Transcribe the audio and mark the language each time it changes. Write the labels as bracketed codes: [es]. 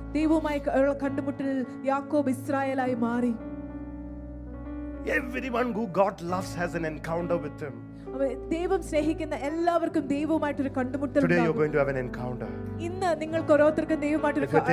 [ml] ദൈവമായി കണ്ടുമുട്ടൽ യാക്കോബ് ഇസ്രായേലായി മാറി. [en] Everyone who God loves has an encounter with him. [ml] ദൈവം സ്നേഹിക്കുന്ന എല്ലാവർക്കും ദൈവവുമായിട്ട് ഒരു കണ്ടുമുട്ടൽ ഉണ്ട്. [en] Today you're going to have an encounter. [ml] ഇന്ന് നിങ്ങൾക്ക് ഓരോരുത്തർക്കും ദൈവവുമായിട്ട് ഒരു